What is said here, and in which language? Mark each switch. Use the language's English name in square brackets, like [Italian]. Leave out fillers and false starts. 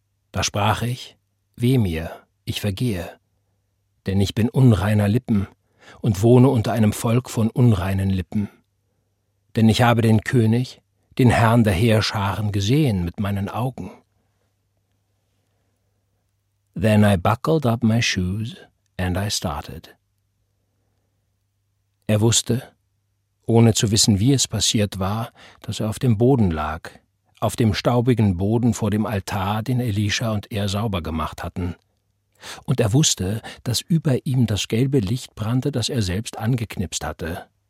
[German] Da sprach ich: Weh mir, ich vergehe, denn ich bin unreiner Lippen und wohne unter einem Volk von unreinen Lippen. Denn ich habe den König, den Herrn der Heerscharen, gesehen mit meinen Augen. [English] Then I buckled up my shoes and I started. [German] Er wusste, ohne zu wissen, wie es passiert war, dass er auf dem Boden lag, auf dem staubigen Boden vor dem Altar, den Elisha und er sauber gemacht hatten. Und er wusste, dass über ihm das gelbe Licht brannte, das er selbst angeknipst hatte.